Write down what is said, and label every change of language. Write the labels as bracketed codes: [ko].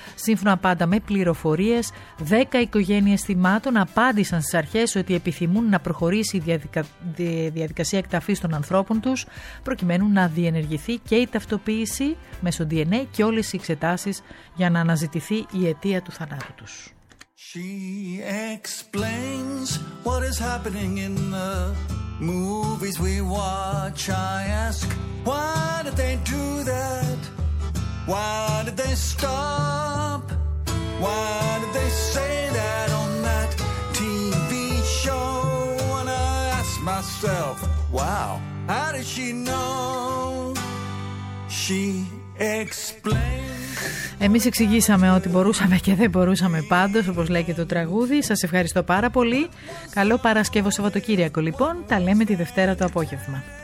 [el] Σύμφωνα πάντα με πληροφορίες, 10 οικογένειες θυμάτων απάντησαν στις αρχές ότι επιθυμούν να προχωρήσει η διαδικασία εκταφής των ανθρώπων τους, προκειμένου να διενεργηθεί και η ταυτοποίηση μέσω DNA και όλες οι εξετάσεις για να αναζητηθεί η αιτία του θανάτου τους. [en] She explains what is happening in the movies we watch. I ask, why did they do that? Why did they stop? Why did they say that on that TV show? And I ask myself, wow, how did she know? She explains. [el] Εμείς εξηγήσαμε ό,τι μπορούσαμε και δεν μπορούσαμε πάντως, όπως λέει και το τραγούδι. Σας ευχαριστώ πάρα πολύ. Καλό Παρασκευό Σαββατοκύριακο λοιπόν. Τα λέμε τη Δευτέρα το απόγευμα.